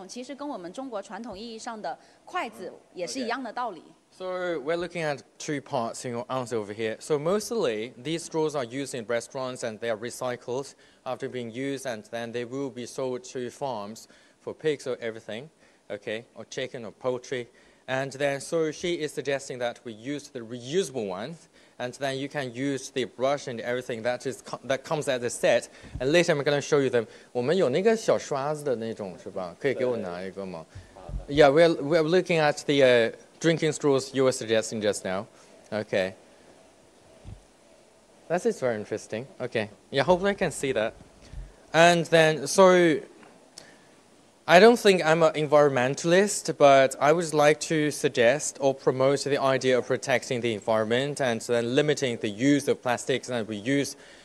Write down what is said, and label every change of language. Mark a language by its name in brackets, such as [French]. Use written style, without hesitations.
[Chinese] 是这样的，这样的吸管的话，我们一般都是在餐饮店里面用，用完了直接餐饮店会回收给这个养殖场做这种饲料所用，所以说它是不会浪费的。那在路上用的，我们还是更加建议用这种可以循环使用的吸管，像是这个不锈钢吸管呀、硅胶吸管呀，这样的话呢，我们会专门配备一个小盒子跟吸管刷，这样子的话，我们就用完之后清洗一下，再放回去消毒柜里面消毒，就可以重复使用。其实跟我们中国传统意义上的 筷子也是一样的道理。 [English] So we're looking at two parts in your answer over here. So mostly these straws are used in restaurants and they are recycled after being used, and then they will be sold to farms for pigs or everything, okay, or chicken or poultry. And then so she is suggesting that we use the reusable ones, and then you can use the brush and everything that is that comes as a set. And later I'm going to show you them. [Chinese] 我们有那个小刷子的那种是吧？可以给我拿一个吗？ [English] Yeah, we're looking at the drinking straws you were suggesting just now. Okay. That is very interesting. Okay. Yeah, hopefully I can see that. And then, so, I don't think I'm an environmentalist, but I would like to suggest or promote the idea of protecting the environment and then limiting the use of plastics that we use.